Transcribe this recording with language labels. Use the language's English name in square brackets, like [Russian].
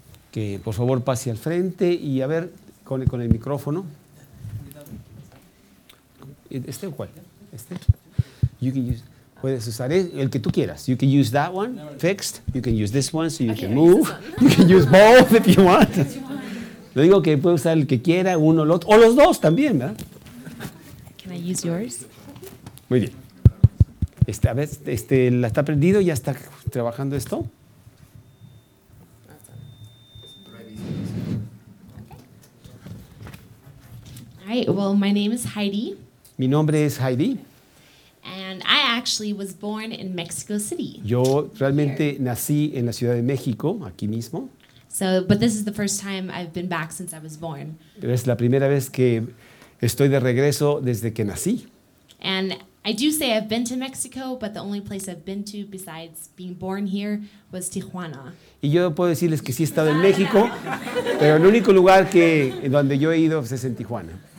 [Spanish] Que por favor pase al frente y a ver, con el micrófono. ¿Este o cuál? ¿Este? [English] You can use... [Spanish] Puedes usar el que tú quieras. [English] You can use that one, fixed. You can use this one, so you can move. You can use both if you want. [Spanish] Le digo que puede usar el que quiera, uno o el otro. O los dos también, ¿verdad? [English] Can I use yours? [Spanish] Muy bien. A ver, ¿la está prendido? ¿Ya está trabajando esto? [English] Okay. All right, well, my name is Heidi. [Spanish] Mi nombre es Heidi. [English] And I actually was born in Mexico City. [Spanish] Yo realmente nací en la Ciudad de México, aquí mismo. [English] So, but this is the first time I've been back since I was born. [Spanish] Pero es la primera vez que estoy de regreso desde que nací. [English] And I do say I've been to Mexico, but the only place I've been to besides being born here was Tijuana. [Spanish] Y yo puedo decirles que sí he estado en México, pero el único lugar que donde yo he ido es en Tijuana.